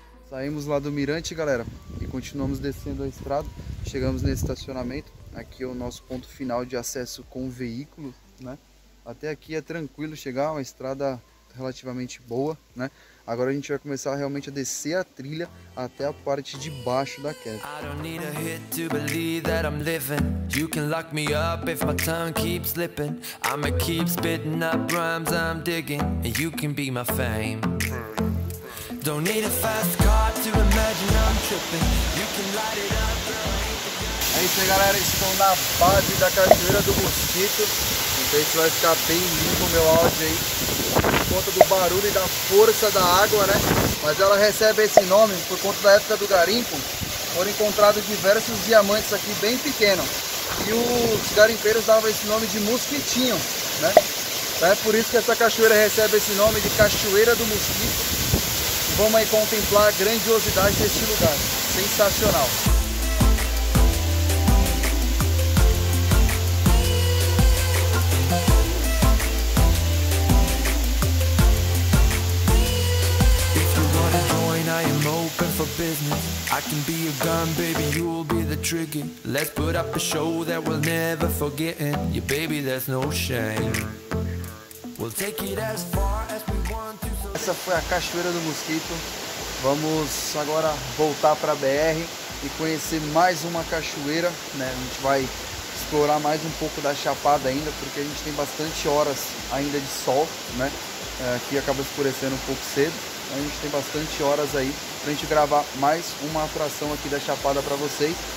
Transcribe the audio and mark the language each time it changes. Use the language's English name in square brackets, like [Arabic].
[Portuguese] Saímos lá do mirante, galera, e continuamos descendo a estrada. Chegamos nesse estacionamento. Aqui é o nosso ponto final de acesso com o veículo, né? Até aqui é tranquilo chegar, uma estrada relativamente boa, né? Agora a gente vai começar realmente a descer a trilha até a parte de baixo da queda. [English] I don't need a hit to believe that I'm living. You can lock me up if my tongue keeps slipping. I'ma keep spitting up rhymes I'm digging. And you can be my fame. Don't need a fast car to imagine I'm tripping. You can light it up, girl. [Portuguese] É isso aí, galera, estou na base da Cachoeira do Mosquito. Não sei se vai ficar bem limpo o meu áudio aí por conta do barulho e da força da água, né? Mas ela recebe esse nome por conta da época do garimpo. Foram encontrados diversos diamantes aqui bem pequenos, e os garimpeiros davam esse nome de mosquitinho, né? Então é por isso que essa cachoeira recebe esse nome de Cachoeira do Mosquito. Vamos aí contemplar a grandiosidade deste lugar. Sensacional! [English] If you wanna join, I am open for business. I can be your gun, baby, you will be the trigger. Let's put up a show that we'll never forget. Yeah, baby, there's no shame. We'll take it as far as we want to. [Portuguese] Essa foi a Cachoeira do Mosquito. Vamos agora voltar para a BR e conhecer mais uma cachoeira, né? A gente vai explorar mais um pouco da Chapada ainda, porque a gente tem bastante horas ainda de sol, né? Aqui acaba escurecendo um pouco cedo. A gente tem bastante horas aí para a gente gravar mais uma atração aqui da Chapada para vocês.